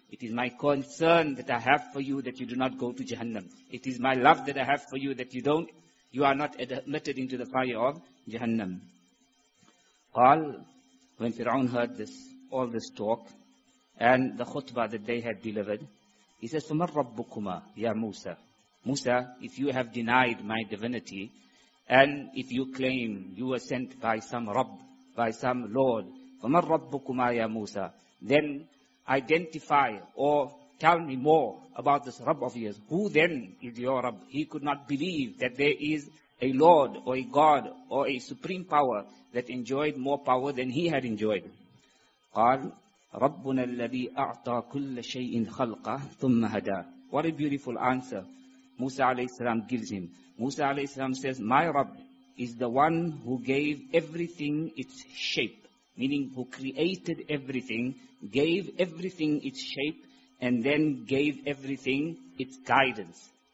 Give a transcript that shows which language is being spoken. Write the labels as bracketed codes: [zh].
[en] It is my concern that I have for you that you do not go to Jahannam. It is my love that I have for you that you are not admitted into the fire of Jahannam. Qal, when Fir'aun heard this, all this talk, and the khutbah that they had delivered, He says, [ar] فَمَا رَبُّكُمَا يَا مُوسَى. [en] Musa, if you have denied my divinity, and if you claim you were sent by some Rabb, by some Lord, [ar] فَمَا رَبُّكُمَا يَا مُوسَى, [en] then identify or tell me more about this Rabb of yours. Who then is your Rabb? He could not believe that there is a Lord or a God or a supreme power that enjoyed more power than he had enjoyed. [ar] قال ربنا الذي أعطى كل شيء خلقه ثم هدى. [en] What a beautiful answer Musa alayhi salam gives him. Musa alayhi salam says, my Rabb is the one who gave everything its shape, meaning who created everything, gave everything its shape, and then gave everything its guidance.